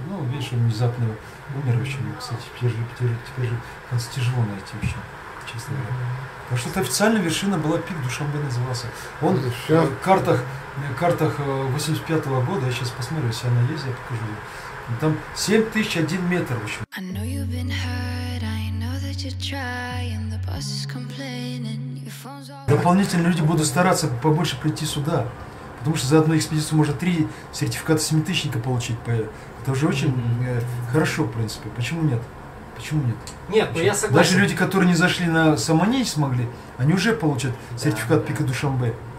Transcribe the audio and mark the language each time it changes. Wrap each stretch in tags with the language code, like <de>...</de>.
<ru>Ну, видишь, он внезапно умер, в общем. Кстати, теперь же тяжело найти, в общем, честно говоря. Потому что это официальная вершина была пик Душанбе назывался. Он в картах 85-го года, я сейчас посмотрю, если она есть, я покажу. Там 7001 метр, в общем.</ru> <en>I know you've been hurt, I know that you're trying, the boss is complaining, your phone's all...</en> <ru>Дополнительно люди будут стараться побольше прийти сюда, потому что за одну экспедицию можно 3 сертификата 7000-ника получить. Это уже очень хорошо, в принципе. Почему нет? Почему нет? Нет, но я согласен. Даже люди, которые не зашли на Сомони, не смогли, они уже получат сертификат пика Душанбе.</ru>